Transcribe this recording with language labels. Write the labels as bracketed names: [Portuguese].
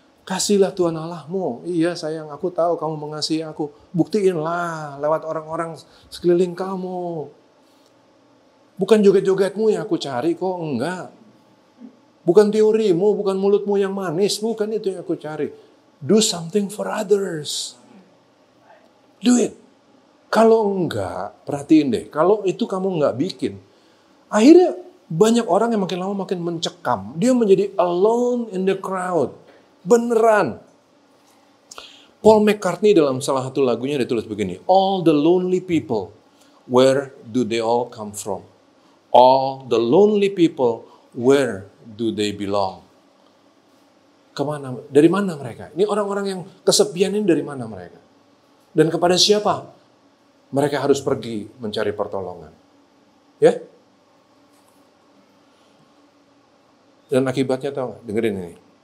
[Indonesian] Kasihlah Tuhan Allahmu. Iya sayang, aku tahu kamu mengasihi aku. Buktiinlah lewat orang-orang sekeliling kamu. Bukan joget-jogetmu yang aku cari kok, enggak. Bukan teorimu, bukan mulutmu yang manis, bukan itu yang aku cari. [English] Do something for others. Do it. [Indonesian] Kalau enggak, perhatiin deh. Kalau itu kamu enggak bikin, akhirnya banyak orang yang makin lama makin mencekam. Dia menjadi [English] alone in the crowd. [Indonesian] Beneran. Paul McCartney dalam salah satu lagunya dia tulis begini. [English] All the lonely people, where do they all come from? All the lonely people, where do they belong? [Indonesian] Kemana? Dari mana mereka? Ini orang-orang yang kesepian ini dari mana mereka? Dan kepada siapa mereka harus pergi mencari pertolongan? Ya? Dan akibatnya tahu nggak? Dengerin ini.